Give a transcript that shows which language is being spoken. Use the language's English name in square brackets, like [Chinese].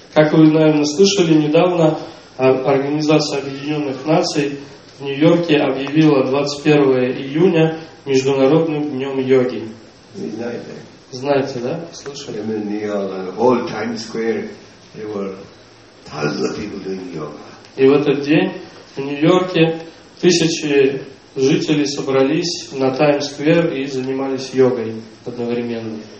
[Russian] Как вы, наверное, слышали, недавно Организация Объединенных Наций в Нью-Йорке объявила 21 июня Международным днем йоги. Знаете, да? Слышали? [English] In New York, the whole Times Square, there were thousands of people doing yoga. [Russian] И в этот день в Нью-Йорке тысячи жителей собрались на Таймс-сквер и занимались йогой одновременно.